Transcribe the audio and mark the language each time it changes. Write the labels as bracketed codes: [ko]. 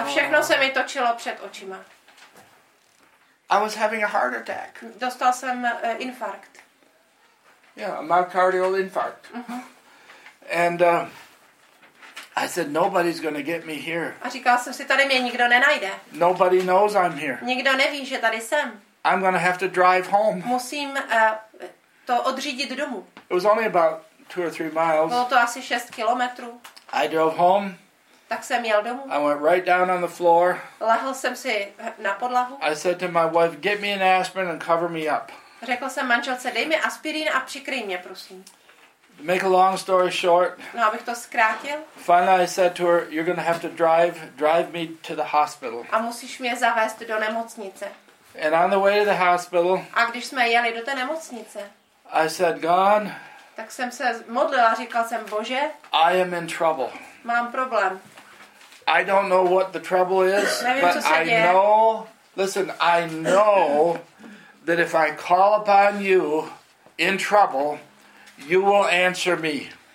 [cs] A všechno se mi točilo před očima. [en] I was having a heart attack. [cs] Dostal jsem infarkt. [en] Yeah, a myocardial infarct. Uh-huh. And I said, nobody's going to get me here. [cs] A říkal jsem si, tady mě nikdo nenajde. [en] Nobody knows I'm here. [cs] Nikdo neví, že tady jsem. [en] I'm going to have to drive home. [cs] Musím to odřídit domů. [en] It was only about 2 or 3 miles. [cs] Bylo to asi 6 kilometrů. [en] I drove home. [cs] Tak jsem jel domů. [en] I went right down on the floor. [cs] Lehl jsem si na podlahu. [en] I said to my wife, get me an aspirin and cover me up. [cs] Řekl jsem manželce, dej mi aspirin a přikryj mě, prosím. [en] To make a long story short. [cs] No, abych to zkrátil. [en] Finally I said to her, you're going to have to drive me to the hospital. [cs] A musíš mě zavést do nemocnice. [en] And on the way to the hospital. [cs] A když jsme jeli do té nemocnice. [en] I said, God. [cs] Tak jsem se modlila, říkal jsem, Bože. [en] I am in trouble. [cs] Mám problém. [en] I don't know what the trouble is, [cs] nevím, [en] but I know. Listen, I know that if I call upon you in trouble, you will answer me.